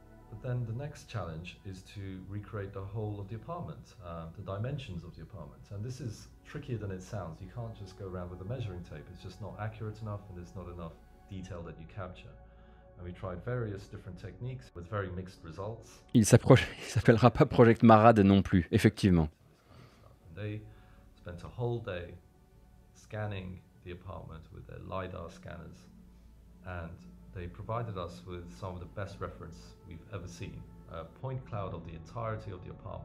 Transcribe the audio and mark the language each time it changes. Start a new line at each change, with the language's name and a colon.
English: But then the next challenge is to recreate the whole of the apartment, the dimensions of the apartment. And this is trickier than it sounds. You can't just go around with a measuring tape. It's just not accurate enough and there's not enough detail that you capture. And we tried various different techniques with very mixed results.
French: Il s'appellera pas Project Marad non plus, effectivement.
English: They spent a whole day scanning the apartment with their LiDAR scanners. And they provided us with some of the best reference we've ever seen. A point cloud of the entirety of the apartment.